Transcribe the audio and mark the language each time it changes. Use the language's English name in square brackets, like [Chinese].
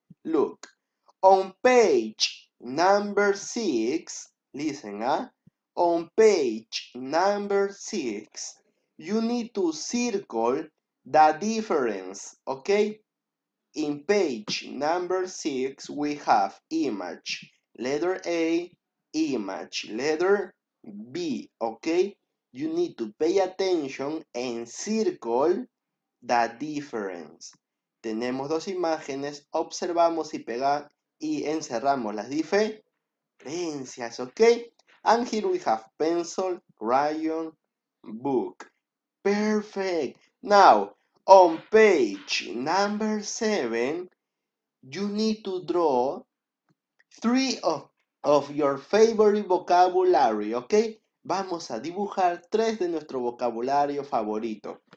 [English] Look, on page number 6, listen, on page number 6, you need to circle the difference, ok? In page number 6, we have image, letter A, image, letter B, ¿ok? You need to pay attention and circle the difference. [Spanish] Tenemos dos imágenes, observamos y pegamos y encerramos las diferencias, ¿ok? [English] And here we have pencil, crayon, book. Perfect. Now, on page number 7, you need to draw three of your favorite vocabulary, ¿ok? [Spanish] Vamos a dibujar tres de nuestro vocabulario favorito.